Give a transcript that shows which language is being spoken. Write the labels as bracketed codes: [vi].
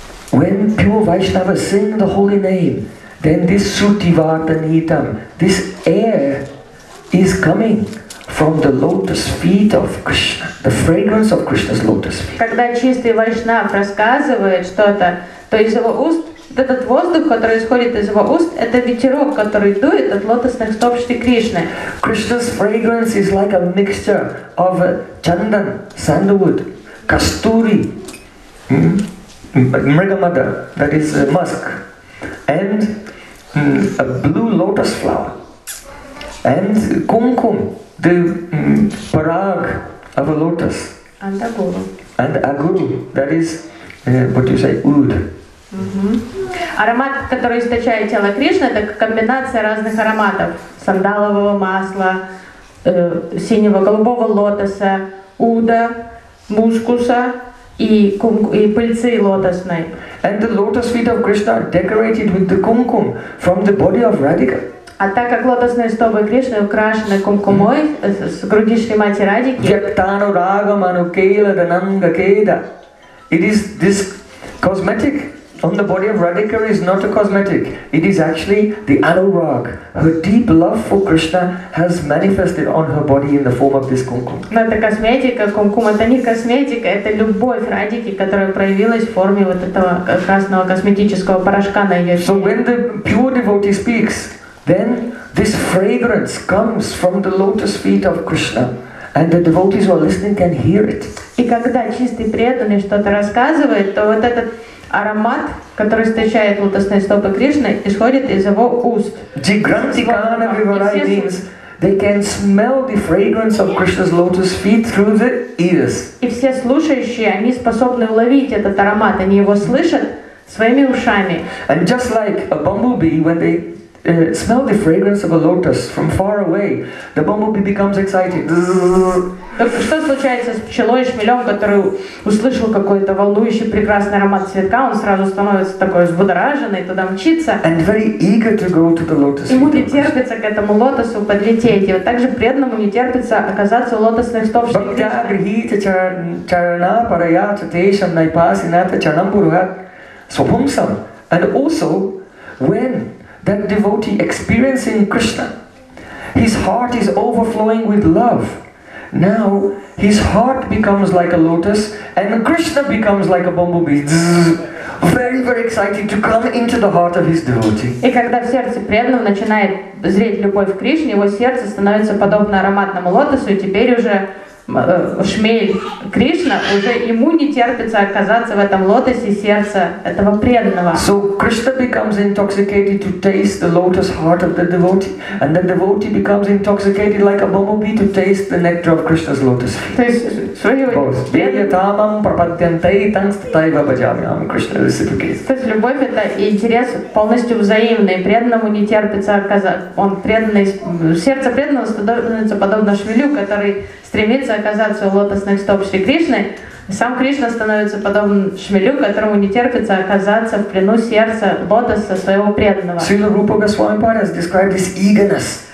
[en] When pure Vaishnavas sing the holy name, then this Sutivartanitam, this air is coming from the lotus feet of Krishna, the fragrance of Krishna's lotus feet. [ru] Когда чистый вайшнав рассказывает что-то, то из его уст, этот воздух, который исходит из его уст, это ветерок, который дует от лотосных стоп Шри Кришны. [en] Krishna's fragrance is like a mixture of chandan, sandalwood, kasturi, mrigamada, that is musk, and a blue lotus flower, and kumkum, the parag of a lotus, and aguru, that is what you say, oud. [ru] Аромат, который источает тело Кришны, это комбинация разных ароматов: сандалового масла, синего голубого лотоса, уда, мускуса и пыльцы лотосной. [en] And the lotus feet of Krishna are decorated with the kumkum from the body of Radhika. [ru] А так как лотосные стопы Кришны украшены кумкумой с груди Шри Мати Радики. [sa] Вектану рагам анукела дананга кеда. [en] It is this cosmetic on the body of Radhika is not a cosmetic. It is actually the anurag. Her deep love for Krishna has manifested on her body in the form of this kumkum. [ru] Но это косметика, кумкум это не косметика, это любовь Радхики, которая проявилась в форме вот этого красного косметического порошка на ее. [en] So when the pure devotee speaks, then this fragrance comes from the lotus feet of Krishna. And the devotees who are listening can hear it. [ru] И когда чистый преданный что-то рассказывает, то вот этот аромат, который источает лотосные стопы Кришны, исходит из его уст. [en] Jigrantikana vivarai means they can smell the fragrance of Krishna's lotus feet through the ears. [ru] И все слушающие, они способны уловить этот аромат, они его слышат своими ушами. [en] And just like a bumblebee, when they smell the fragrance of a lotus from far away, the bumblebee becomes excited. [ru] Что случается с пчелой, шмелем, который услышал какой-то волнующий прекрасный аромат цветка, он сразу становится такой взбудораженный, туда мчится. [en] And very eager to go to the lotus feet. [ru] Ему не терпится к этому лотосу подлететь. И вот также преданному не терпится оказаться у лотосных стоп Шри Кришны. [sa] Бхактя грихита чарана парая чатешам найпаси ната чанамбурга свапумсам. [en] And also, when that devotee experiencing Krishna, his heart is overflowing with love. Now his heart becomes like a lotus, and Krishna becomes like a bumblebee. Very, very excited to come into the heart of his devotee. [ru] И когда в сердце преданного начинает зреть любовь к Кришне, его сердце становится подобно ароматному лотосу, и теперь уже шмель Кришна уже ему не терпится оказаться в этом лотосе сердца этого преданного. [en] So Krishna becomes intoxicated to taste the lotus heart of the devotee, and the devotee becomes intoxicated like a bumblebee to taste the nectar of Krishna's lotus feet. [ru] То есть любовь это интерес полностью взаимный. Преданному не терпится оказаться, он преданный, сердце преданного становится подобно шмелю, который стремится оказаться у лотосных стоп Шри Кришны, сам Кришна становится подобным шмелю, которому не терпится оказаться в плену сердца лотоса своего преданного. [en] Srila Rupa Goswami Pad has described this eagerness.